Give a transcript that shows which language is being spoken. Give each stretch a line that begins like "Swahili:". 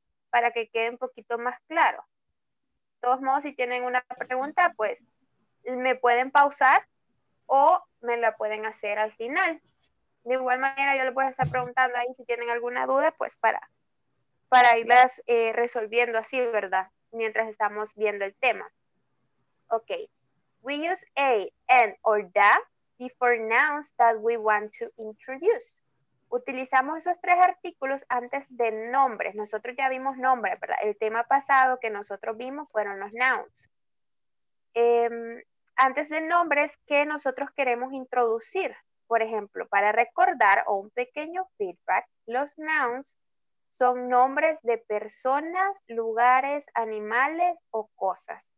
Spanish: Para que quede un poquito más claro. De todos modos, si tienen una pregunta, pues me pueden pausar o me la pueden hacer al final. De igual manera, yo les voy a estar preguntando ahí si tienen alguna duda, pues para irlas resolviendo así, ¿verdad? Mientras estamos viendo el tema. Ok.
English: We use a, an, or that before nouns that we want to introduce.
Spanish: Utilizamos esos tres artículos antes de nombres. Nosotros ya vimos nombres, ¿verdad? El tema pasado que nosotros vimos fueron los nouns. Antes de nombres que nosotros queremos introducir. Por ejemplo, para recordar o un pequeño feedback, los nouns son nombres de personas, lugares, animales o cosas.